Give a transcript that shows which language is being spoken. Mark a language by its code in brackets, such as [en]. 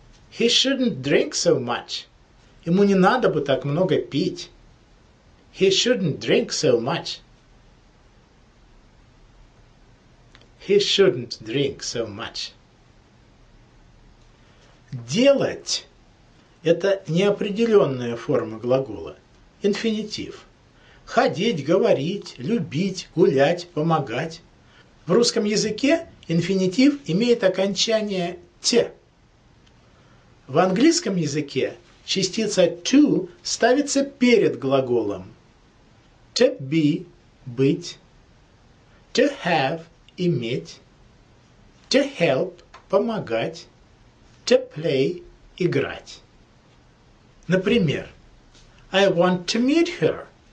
[en] He shouldn't drink so much. [ru] Ему не надо бы так много пить. [en] He shouldn't drink so much. He shouldn't drink so much. [ru] Делать – это неопределенная форма глагола, инфинитив. Ходить, говорить, любить, гулять, помогать. В русском языке инфинитив имеет окончание «те». В английском языке частица [en] «to» [ru] ставится перед глаголом. [en] «To be» – [ru] быть. [en] «To have» – [ru] иметь. [en] «To help» – [ru] помогать. [en] «To play» – [ru] играть. Например, [en] «I want to meet her».